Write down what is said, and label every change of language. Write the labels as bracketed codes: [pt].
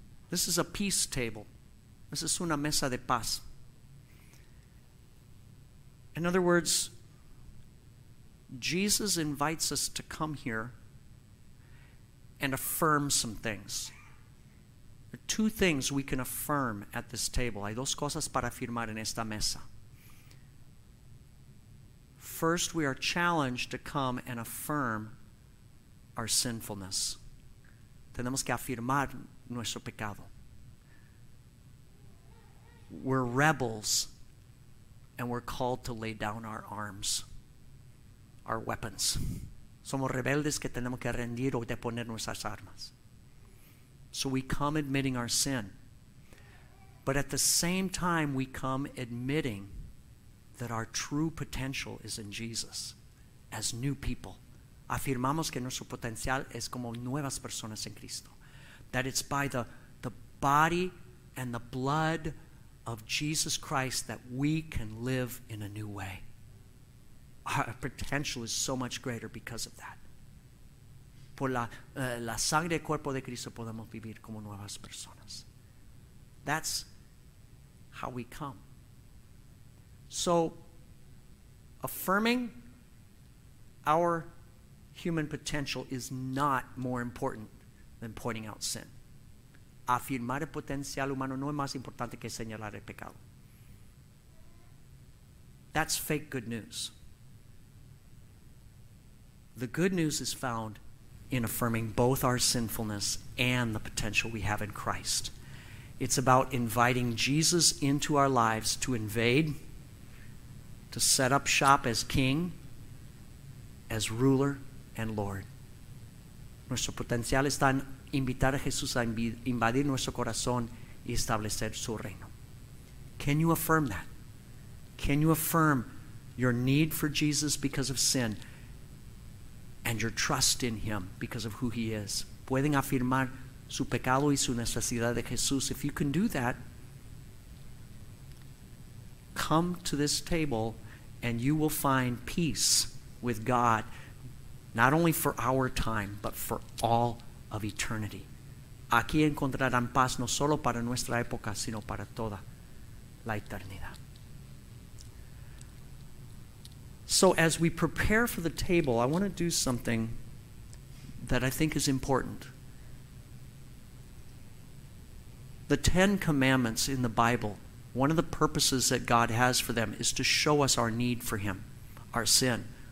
[en] This is a peace table. This is [es] una mesa de paz. [en] In other words, Jesus invites us to come here and affirm some things. There are two things we can affirm at this table. [es] Hay dos cosas para afirmar en esta mesa. [en] First, we are challenged to come and affirm our sinfulness. [es] Tenemos que afirmar nuestro pecado. [en] We're rebels, and we're called to lay down our arms, our weapons. [es] Somos rebeldes que tenemos que rendir o deponer nuestras armas. [en] So we come admitting our sin. But at the same time, we come admitting that our true potential is in Jesus as new people. [es] Afirmamos que nuestro potencial es como nuevas personas en Cristo. [en] That it's by the body and the blood of Jesus Christ that we can live in a new way. Our potential is so much greater because of that. [es] Por la sangre y cuerpo de Cristo podemos vivir como nuevas personas. [en] That's how we come. So, affirming our human potential is not more important than pointing out sin. [es] Afirmar el potencial humano no es más importante que señalar el pecado. [en] That's fake good news. The good news is found in affirming both our sinfulness and the potential we have in Christ. It's about inviting Jesus into our lives to invade, to set up shop as King, as ruler, and Lord. [es] Nuestro potencial está en invitar a Jesús a invadir nuestro corazón y establecer su reino. [en] Can you affirm that? Can you affirm your need for Jesus because of sin and your trust in Him because of who He is? [es] Pueden afirmar su pecado y su necesidad de Jesús. [en] If you can do that, come to this table and you will find peace with God, not only for our time, but for all of eternity. [es] Aquí encontrarán paz no solo para nuestra época, sino para toda la eternidad. [en] So as we prepare for the table, I want to do something that I think is important. The Ten Commandments in the Bible, one of the purposes that God has for them is to show us our need for Him, our sin.